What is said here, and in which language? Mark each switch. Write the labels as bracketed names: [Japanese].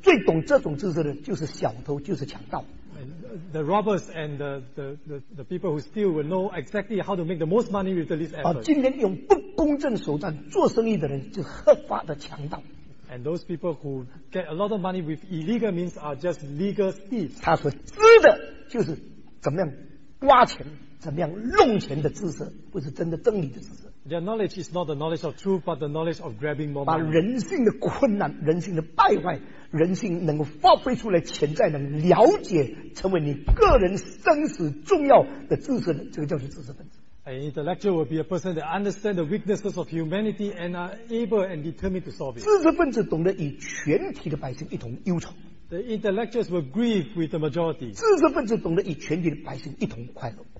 [Chinese] 怎样不必做工可以赚最多钱，最懂这种知识的，就是小偷，就是强盗。 [English] The robbers and the people who steal will know exactly how to make the most money with the least effort. [Chinese] 今天用不公正手段做生意的人，就合法的强盗。 [English] And those people who get a lot of money with illegal means are just legal thieves. [Chinese] 他所知的就是怎么样挖钱，怎么样弄钱的知识，不是真的真理的知识。 [English] Their knowledge is not the knowledge of truth, but the knowledge of grabbing more money. [Chinese] 把人性的困难、人性的败坏、人性能够发挥出来、潜在能了解，成为你个人生死重要的知识，这个叫做知识分子。 [English] An intellectual will be a person that understands the weaknesses of humanity and are able and determined to solve it. [Chinese] 知识分子懂得与全体的百姓一同忧愁。 [English] The intellectuals will grieve with the majority. [Chinese] 知识分子懂得与全体的百姓一同快乐。